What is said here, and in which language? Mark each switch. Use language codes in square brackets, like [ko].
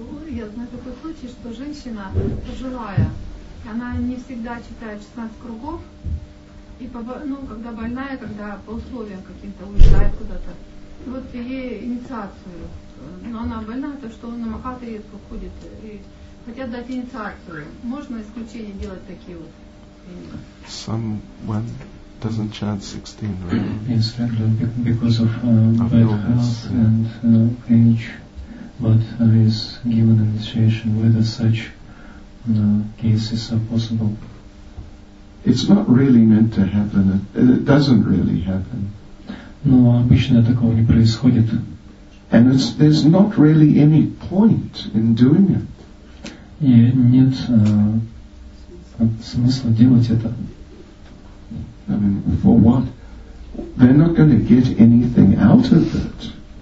[ru] Я знаю такой случай, что женщина пожилая, она не всегда читает 16 кругов. И когда больная, когда по условиям каким-то уезжает куда-то, вот ей инициацию. Но она больна, то что на махатре редко ходит. И хотят дать инициацию. Можно исключение делать такие вот? [en] Someone doesn't chant 16 rounds. Yes, regularly because of bad health and age, but is given initiation. Whether such cases are possible? It's not really meant to happen. It doesn't really happen. [ru] Но обычно такого не происходит. [en] And there's not really any point in doing it. [ru] И нет смысла делать это. [en] I mean, for what? They're not going to get anything out of it.